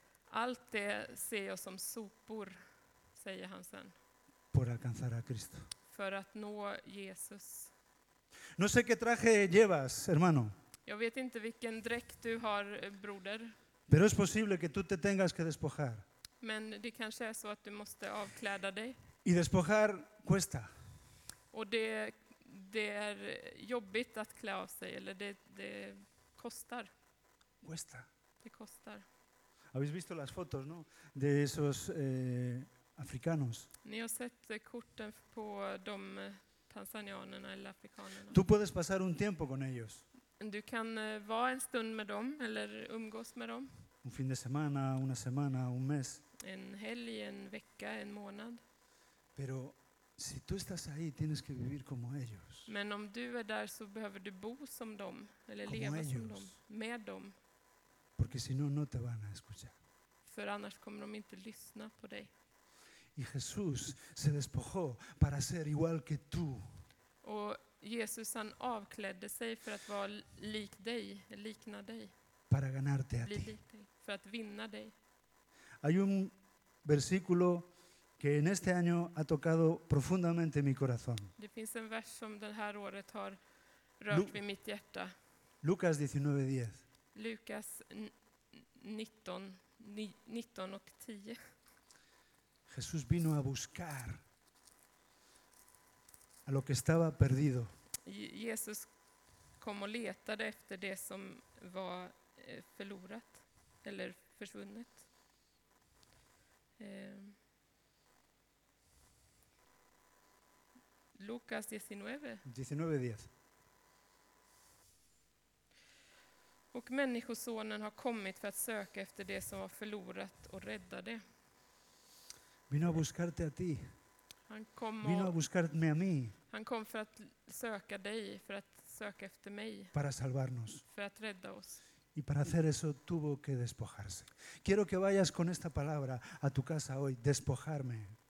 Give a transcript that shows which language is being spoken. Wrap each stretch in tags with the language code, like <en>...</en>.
<sv>Allt det ser jag som sopor, säger han sen.</sv> <es>Por alcanzar a Cristo.</es> <sv>För att nå Jesus.</sv> <es>No sé qué traje llevas, hermano.</es> <sv>Jag vet inte vilken dräkt du har, broder.</sv> <es>Pero es posible que tú te tengas que despojar.</es> <sv>Men det kanske är så att du måste avkläda dig.</sv> <es>Y despojar cuesta.</es> <sv>Och det är jobbigt att klä av sig, eller det kostar.</sv> <es>Cuesta.</es> <sv>Det kostar.</sv> <es>¿Habéis visto las fotos, no? De esos africanos.</es> <sv>Ni har sett korten på de tanzanianerna eller afrikanerna.</sv> <es>Tú puedes pasar un tiempo con ellos.</es> <sv>Du kan vara en stund med dem eller umgås med dem.</sv> <es>Un fin de semana, una semana, un mes.</es> <sv>En helg, en vecka, en månad.</sv> <es>Pero si tú estás ahí, tienes que vivir como ellos.</es> <sv>Men om du är där så behöver du bo som dem eller</sv> <es>como</es> <sv>leva</sv> <es>ellos.</es> <sv>Som dem, med dem.</sv> <es>Porque si no, no te van a escuchar.</es> <sv>För annars kommer de inte lyssna på dig.</sv> <es>Y Jesús se despojó para ser igual que tú.</es> <sv>Och Jesus han avklädde sig för att vara lik dig, likna dig.</sv> <es>Para ganarte a ti.</es> <sv>För att vinna dig.</sv> <es>Hay un versículo que en este año ha tocado profundamente mi corazón.</es> <sv>Det finns en vers som det här året har rört vid mitt hjärta.</sv> <es>Lucas 19:10.</es> <sv>Lukas 19:10.</sv> <es>Jesús vino a buscar a lo que estaba perdido.</es> <sv>Jesus kom och letade efter det som var förlorat eller försvunnet. Lukas 19:10. Och människosonen har kommit för att söka efter det som var förlorat och rädda det.</sv> <es>Vino a buscarte a ti.</es> <sv>Han kom och</sv> <es>vino a buscarme a mí.</es> <sv>Han kom för att söka dig, för att söka efter mig.</sv> <es>Para salvarnos.</es> <sv>För att rädda oss.</sv> <es>Y para hacer eso tuvo que despojarse. Quiero que vayas con esta palabra a tu casa hoy, despojarme.</es>